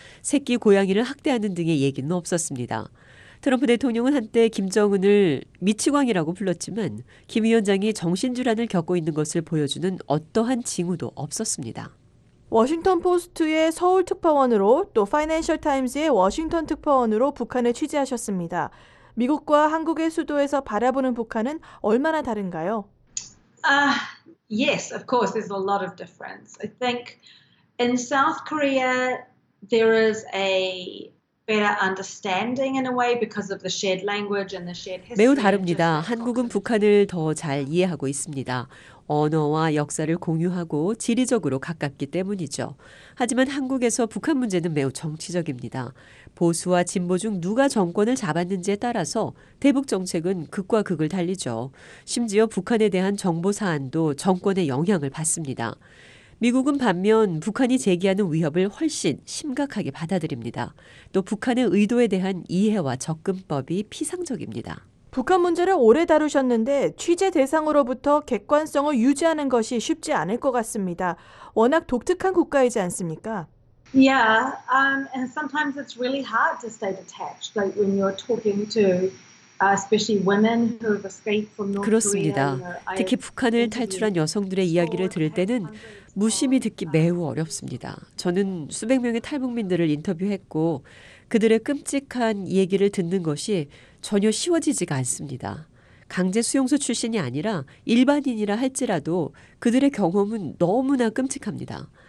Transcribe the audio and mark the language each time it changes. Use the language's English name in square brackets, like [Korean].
[Korean] 새끼 고양이를 학대하는 등의 얘기는 없었습니다. 트럼프 대통령은 한때 김정은을 미치광이라고 불렀지만 김 위원장이 정신질환을 겪고 있는 것을 보여주는 어떠한 징후도 없었습니다. 워싱턴포스트의 서울 특파원으로 또 파이낸셜 타임즈의 워싱턴 특파원으로 북한을 취재하셨습니다. 미국과 한국의 수도에서 바라보는 북한은 얼마나 다른가요? [English] Yes, of course, there's a lot of difference. I think in South Korea, there is a better understanding in a way because of the shared language and the shared history. [Korean] 매우 다릅니다. 한국은 북한을 더 잘 이해하고 있습니다. 언어와 역사를 공유하고 지리적으로 가깝기 때문이죠. 하지만 한국에서 북한 문제는 매우 정치적입니다. 보수와 진보 중 누가 정권을 잡았는지에 따라서 대북 정책은 극과 극을 달리죠. 심지어 북한에 대한 정보 사안도 정권의 영향을 받습니다. 미국은 반면 북한이 제기하는 위협을 훨씬 심각하게 받아들입니다. 또 북한의 의도에 대한 이해와 접근법이 피상적입니다. 북한 문제를 오래 다루셨는데 취재 대상으로부터 객관성을 유지하는 것이 쉽지 않을 것 같습니다. 워낙 독특한 국가이지 않습니까? [English] Yeah, and sometimes it's really hard to stay detached, like when you're talking to. Especially women who have escaped from North Korea. [Korean] 그렇습니다. 특히 북한을 탈출한 여성들의 이야기를 들을 때는 무심히 듣기 매우 어렵습니다. 저는 수백 명의 탈북민들을 인터뷰했고 그들의 끔찍한 얘기를 듣는 것이 전혀 쉬워지지가 않습니다. 강제 수용소 출신이 아니라 일반인이라 할지라도 그들의 경험은 너무나 끔찍합니다.